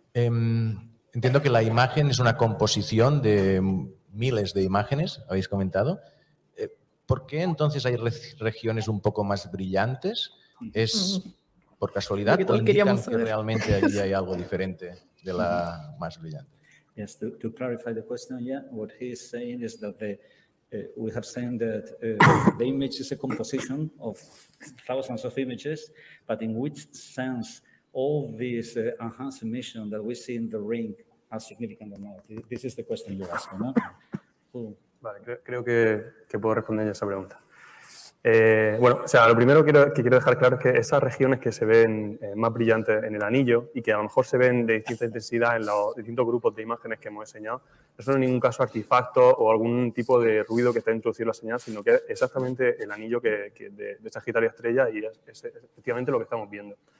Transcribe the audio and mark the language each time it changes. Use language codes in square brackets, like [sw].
[es] Entiendo que la imagen es una composición de miles de imágenes, habéis comentado. ¿Por qué entonces hay regiones un poco más brillantes? ¿Es por casualidad o indican que realmente allí hay algo diferente de la más brillante? [en] Yes, to clarify the question, yeah, what he is saying is that we have seen that the image is a composition of thousands of images, but in which sense all these enhanced emissions that we see in the ring are significant or not? This is the question you're asking, no? [es] Vale, creo que puedo responder ya esa pregunta. Bueno, o sea, lo primero que quiero dejar claro es que esas regiones que se ven más brillantes en el anillo y que a lo mejor se ven de distinta intensidad en los distintos grupos de imágenes que hemos enseñado, no son en ningún caso artefactos o algún tipo de ruido que está introduciendo la señal, sino que es exactamente el anillo de Sagitario Estrella y es efectivamente lo que estamos viendo.